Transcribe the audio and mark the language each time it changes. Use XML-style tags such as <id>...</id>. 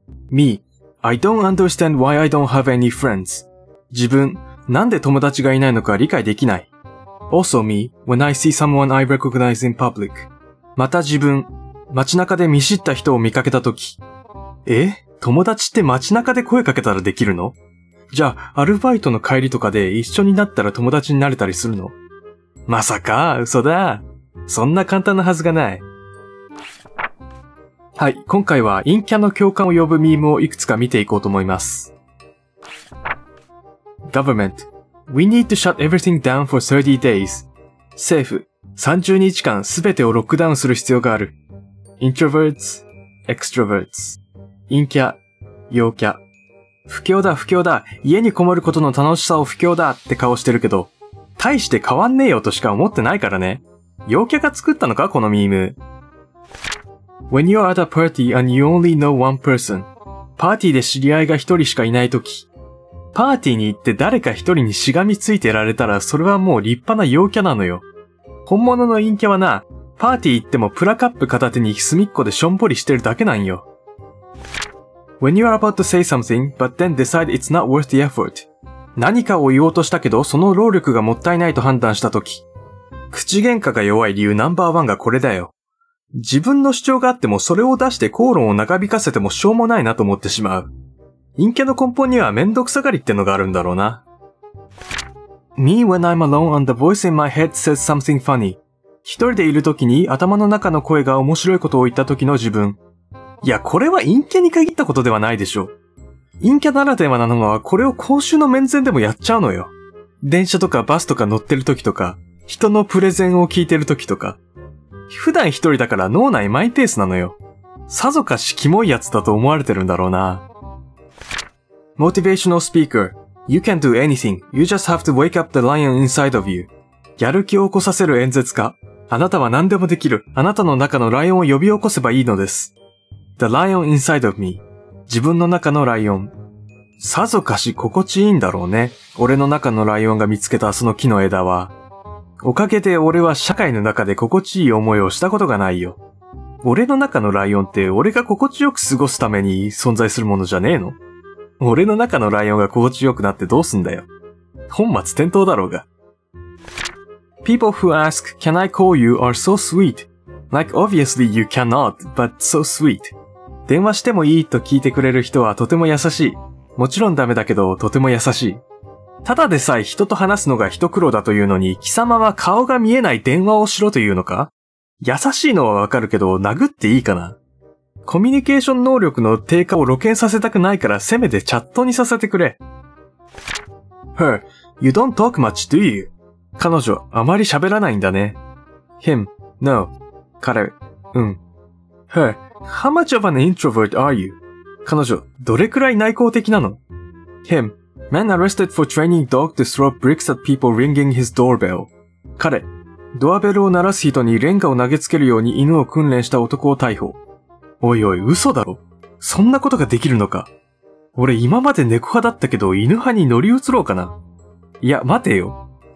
<en>Me, I don't understand why I don't have any friends.</en> <ja>自分、なんで友達がいないのか理解できない。</ja> <en>Also me, when I see someone I recognize in public.</en> <ja>また自分、街中で見知った人を見かけたとき。え? 友達って街中で声かけたらできるの?じゃあ、アルバイトの帰りとかで一緒になったら友達になれたりするの? まさか、嘘だ。そんな簡単なはずがない。はい、今回は陰キャの共感を呼ぶミームをいくつか見ていこうと思います。</ja> <en>Government, we need to shut everything down for 30 days.</en> <ja>政府、30日間すべてをロックダウンする必要がある。</ja> <en>Introverts, extroverts.</en> <ja>陰キャ、陽キャ。不況だ不況だ、家にこもることの楽しさを不況だって顔してるけど、大して変わんねえよとしか思ってないからね。陽キャが作ったのかこのミーム。</ja> <en>When you're at a party and you only know one person.</en> <ja>パーティーで知り合いが一人しかいないとき。パーティーに行って誰か一人にしがみついてられたらそれはもう立派な陽キャなのよ。本物の陰キャはな、パーティー行ってもプラカップ片手に隅っこでしょんぼりしてるだけなんよ。</ja> <en>When you're about to say something, but then decide it's not worth the effort.</en> <ja>何かを言おうとしたけど、その労力がもったいないと判断したとき。口喧嘩が弱い理由ナンバーワンがこれだよ。自分の主張があってもそれを出して口論を長引かせてもしょうもないなと思ってしまう。陰キャの根本にはめんどくさがりってのがあるんだろうな。</ja> <en>Me when I'm alone and the voice in my head says something funny.</en> <ja>一人でいるときに頭の中の声が面白いことを言ったときの自分。いや、これは陰キャに限ったことではないでしょう。陰キャならではなのは、これを公衆の面前でもやっちゃうのよ。電車とかバスとか乗ってる時とか、人のプレゼンを聞いてる時とか。普段一人だから脳内マイペースなのよ。さぞかしキモいやつだと思われてるんだろうな。</ja> <en>Motivational speaker. You can do anything. You just have to wake up the lion inside of you.</en> <ja>やる気を起こさせる演説家。あなたは何でもできる。あなたの中のライオンを呼び起こせばいいのです。</ja> <en>The lion inside of me.</en> <ja>自分の中のライオン。さぞかし心地いいんだろうね。俺の中のライオンが見つけたその木の枝は。おかげで俺は社会の中で心地いい思いをしたことがないよ。俺の中のライオンって俺が心地よく過ごすために存在するものじゃねえの? 俺の中のライオンが心地よくなってどうすんだよ。本末転倒だろうが。</ja> <en>People who ask, can I call you are so sweet. Like, obviously you cannot, but so sweet.</en> <ja>電話してもいいと聞いてくれる人はとても優しい。もちろんダメだけど、とても優しい。ただでさえ人と話すのが一苦労だというのに、貴様は顔が見えない電話をしろというのか? 優しいのはわかるけど、殴っていいかな?コミュニケーション能力の低下を露見させたくないから、せめてチャットにさせてくれ。</ja> <en>Her, you don't talk much, do you?</en> <ja>彼女、あまり喋らないんだね。</ja> <en>Him, no.</en> <ja>彼、うん。</ja> <en>Her, how much of an introvert are you?</en> <ja>彼女、どれくらい内向的なの?</ja> <en>Him, man arrested for training dog to throw bricks at people ringing his doorbell.</en> <ja>彼、ドアベルを鳴らす人にレンガを投げつけるように犬を訓練した男を逮捕。おいおい、嘘だろ。そんなことができるのか。俺今まで猫派だったけど犬派に乗り移ろうかな。いや、待てよ。</ja>